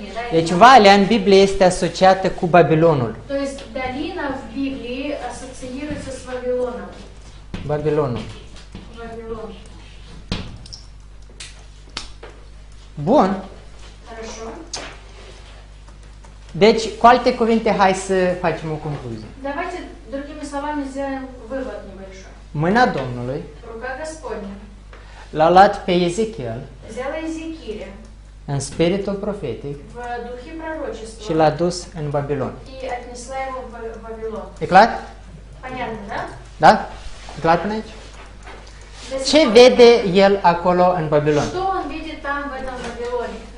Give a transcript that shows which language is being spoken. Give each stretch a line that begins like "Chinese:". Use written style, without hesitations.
Romanian: Deci valea în Biblie este asociată cu Babilonul.
Russian: То есть долина в Библии ассоциируется с Вавилоном.
Romanian: Babilonul.
Russian: Вавилон.
Romanian: Bun.
Russian: Хорошо.
Romanian: Deci, cu alte cuvinte, hai să facem o concluzie.
Russian: Давайте другими словами сделаем вывод небольшой.
Romanian: Мына Домнулой.
Russian: Рука Господня.
Romanian: L-a luat pe Ezechiel.
Russian: Взяла Езекииля.
Romanian: În spiritul profetic.
Russian: В духе пророчества.
Romanian: Și l-a dus în Babilon.
Russian: И отнесла его в Вавилон.
Romanian: E clar?
Russian: Понятно, да? Да?
Romanian: E clar până aici? Ce vede el acolo în Babilon?
Russian: Что он видит там в этом Вавилоне?